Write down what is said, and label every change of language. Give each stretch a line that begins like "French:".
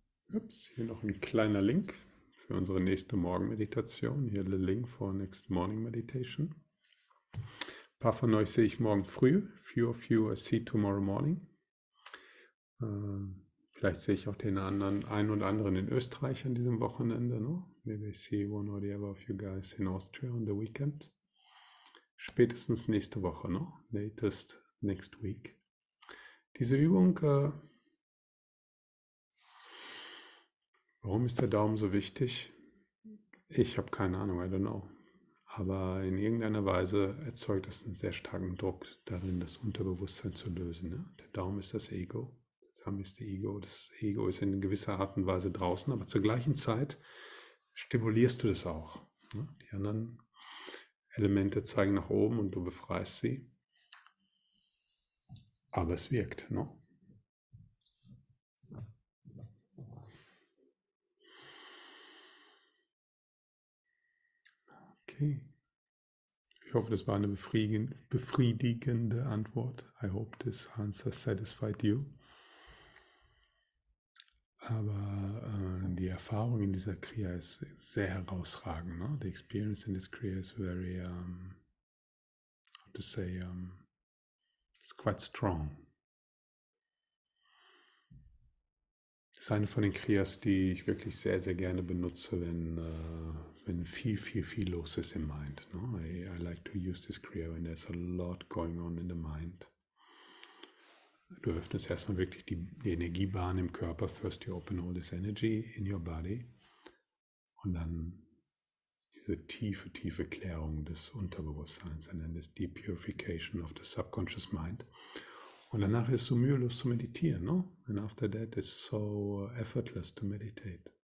German: Ups, hier noch ein kleiner Link für unsere nächste Morgenmeditation. Hier der Link for next morning meditation. Ein paar von euch sehe ich morgen früh, few of you I see tomorrow morning. Vielleicht sehe ich auch den anderen, einen und anderen in Österreich an diesem Wochenende.
English: No? Maybe I see one or the other of you guys in Austria on the weekend. Spätestens nächste Woche, no? Latest next week.
German: Diese Übung, warum ist der Daumen so wichtig? Ich habe keine Ahnung, I don't know. Aber in irgendeiner Weise erzeugt das einen sehr starken Druck darin, das Unterbewusstsein zu lösen. Ne? Der Daumen ist das Ego, der Thumb ist das Ego. Das Ego ist in gewisser Art und Weise draußen, aber zur gleichen Zeit stimulierst du das auch. Ne? Die anderen Elemente zeigen nach oben und du befreist sie. Aber es wirkt, ne? Okay. Ich hoffe, das war eine befriedigende Antwort.
English: I hope this answer satisfied you.
German: Aber die Erfahrung in dieser Kriya ist sehr herausragend. Ne?
English: The experience in this Kriya is very, it's quite strong.
German: Es ist eine von den Kriyas, die ich wirklich sehr, sehr gerne benutze, wenn viel, viel, viel los ist im Mind.
English: No? I like to use this Kriya when there's a lot going on in the mind.
German: Du öffnest erstmal wirklich die Energiebahn im Körper.
English: First you open all this energy in your body.
German: Und dann diese tiefe, tiefe Klärung des Unterbewusstseins.
English: And then this deep purification of the subconscious mind. Und danach ist es so mühelos zu meditieren. No? And after that it's so effortless to meditate.